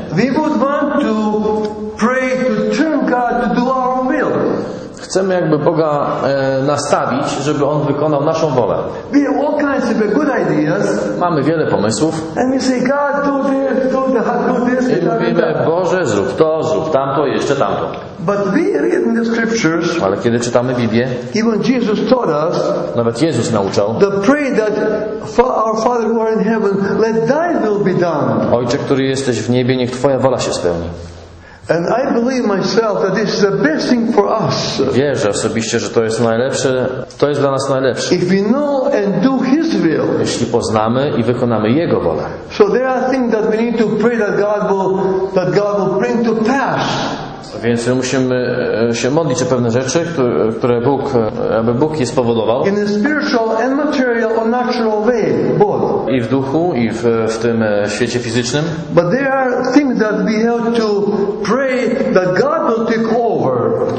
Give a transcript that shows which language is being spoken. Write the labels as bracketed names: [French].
[English] we would want to pray to turn God to do our own will. [Polish] Chcemy jakby Boga nastawić, żeby On wykonał naszą wolę. [English] We have all kinds of good ideas, [Polish] mamy wiele pomysłów. [English] And we say, God, do this, do that, do this, [Polish] i mówimy, Boże, zrób to, zrób tamto, jeszcze tamto. [English] But we read in the scriptures, [Polish] ale kiedy czytamy Biblię, [English] even Jesus taught us, [Polish] nawet Jezus nauczał, [English] the pray that our Father who are in heaven, let thy will be done. [Polish] Ojcze, który jesteś w niebie, niech Twoja wola się spełni. [English] And I believe myself that this is the best thing for us. [Polish] Wierzę osobiście, że to jest najlepsze, to jest dla nas najlepsze. [English] If we know and do His will. [Polish] Jeśli poznamy i wykonamy Jego wolę. [English] So there are things that we need to pray that God will bring to pass. [Polish] Więc my musimy się modlić o pewne rzeczy, które Bóg, aby Bóg je spowodował. [English] In a spiritual and material or natural way, both. [Polish] I w duchu, i w tym świecie fizycznym. [English] But there are things that we have to pray that God will take over.